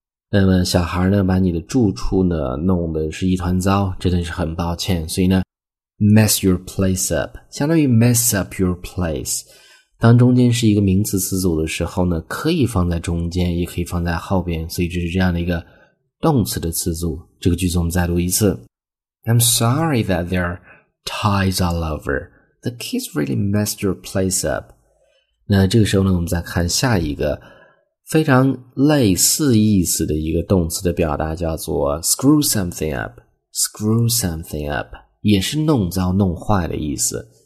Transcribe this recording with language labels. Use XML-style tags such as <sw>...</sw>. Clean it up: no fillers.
<zh>那么小孩呢，把你的住处呢弄得是一团糟，真的是很抱歉。所以呢 ，</zh> <en>mess your place up</en> <zh>相当于</zh> <en>mess up your place。</en> <zh>当中间是一个名词词组的时候呢，可以放在中间，也可以放在后边，所以这是这样的一个动词的词组。这个句子我们再读一次。</zh> <en>I'm sorry that there are ties all over. The kids really messed your place up.</en> <zh>那这个时候呢，我们再看下一个非常类似意思的一个动词的表达，叫做</zh> <en>screw something up. Screw something up</en> <zh>也是弄糟、弄坏的意思。</zh>